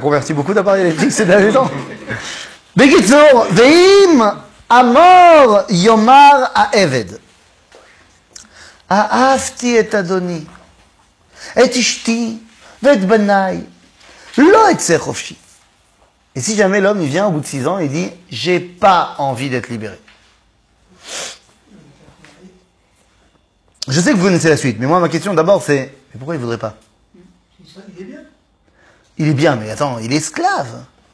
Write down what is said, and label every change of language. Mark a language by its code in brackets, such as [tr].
[fr] converti beaucoup d'appareils électriques ces derniers temps. Bekitsour, Veim, Amor, Yomar, Aeved. [he] אהבתי את אדוני, את אשתי ואת בניי, לא אצא חופשי. [fr] Et si jamais l'homme il vient au bout de 6 ans et dit j'ai pas envie d'être libéré. Je sais que vous connaissez la suite, mais moi ma question d'abord c'est mais pourquoi il voudrait pas ? Il est bien. Il est bien, mais attends, il est esclave.